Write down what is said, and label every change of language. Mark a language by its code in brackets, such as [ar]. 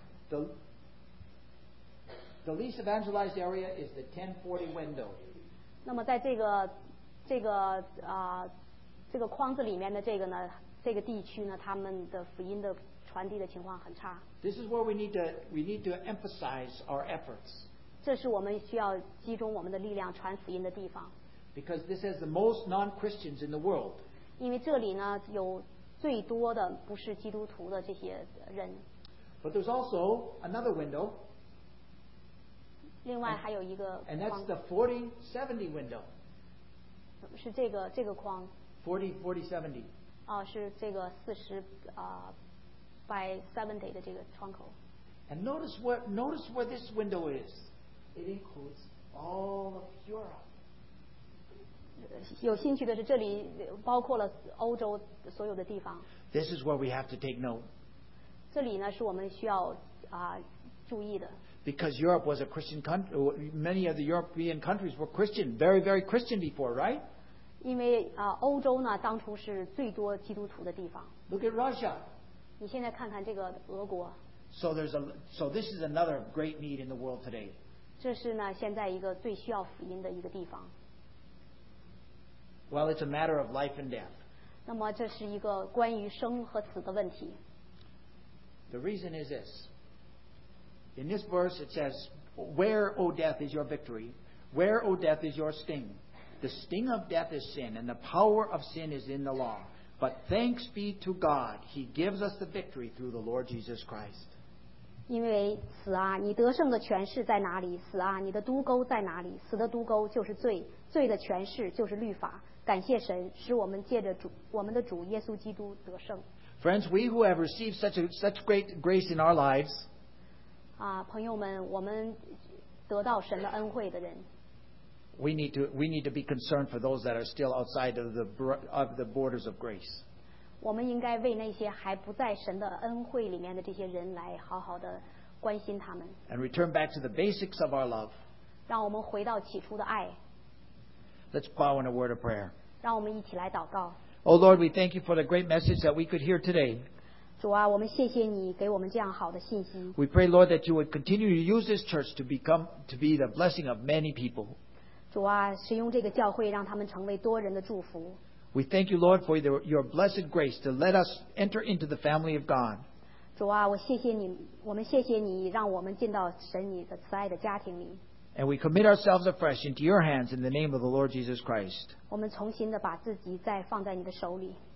[en] The least evangelized area is the 1040 window. [zh] 那么在这个框子里面的这个呢，这个地区呢，他们的福音的传递的情况很差。 [en] This is where we need to emphasize our efforts. [zh] 这是我们需要集中我们的力量传福音的地方。 [en] Because this has the most non-Christians in the world. [zh] 因为这里呢有最多的不是基督徒的这些人。 [en] But there's also another window. [zh] 另外还有一个框。 [en] And that's the 40-70 window. [zh] 是这个框。 [en] 40-70. [zh] 是这个40by 70的这个窗口。 [en] And notice where this window is. It includes all of Europe. [zh] 有兴趣的是，这里包括了欧洲所有的地方。 [en] This is where we have to take note. [zh] 这里呢是我们需要注意的。 [en] Because Europe was a Christian country, many of the European countries were Christian, very, very Christian before, right? [zh] 因为欧洲呢当初是最多基督徒的地方。 [en] Look at Russia. [zh] 你现在看看这个俄国。 [en] So this is another great need in the world today. [zh] 这是呢现在一个最需要福音的一个地方。 [en] Well, it's a matter of life and death. [zh] 那么这是一个关于生和死的问题。 [en] The reason is this. In this verse, it says, "Where, O death, is your victory? Where, O death, is your sting? The sting of death is sin, and the power of sin is in the law. But thanks be to God, He gives us the victory through the Lord Jesus Christ." [zh] 因为死啊，你得胜的权势在哪里？死啊，你的毒钩在哪里？死的毒钩就是罪。罪的权势就是律法。感谢神，使我们借着主，我们的主耶稣基督得胜。 [en] Friends, we who have received such great grace in our lives, [zh] 朋友们，我们得到神的恩惠的人。 [en] We need to be concerned for those that are still outside of the borders of grace. [zh] 我们应该为那些还不在神的恩惠里面的这些人来好好的关心他们。 [en] And return back to the basics of our love. [zh] 让我们回到起初的爱。 [en] Let's bow in a word of prayer. [zh] 让我们一起来祷告。 [en] Oh Lord, we thank you for the great message that we could hear today. [zh] 主啊，我们谢谢你给我们这样好的信息。 [en] We pray, Lord, that you would continue to use this church to be the blessing of many people. [zh] 主啊，使用这个教会让他们成为多人的祝福。 [en] We thank you, Lord, for your blessed grace to let us enter into the family of God. [zh] 主啊，我谢谢你，我们谢谢你让我们进到神你的慈爱的家庭里。 [en] And we commit ourselves afresh into your hands in the name of the Lord Jesus Christ. [zh] 我们重新的把自己再放在你的手里。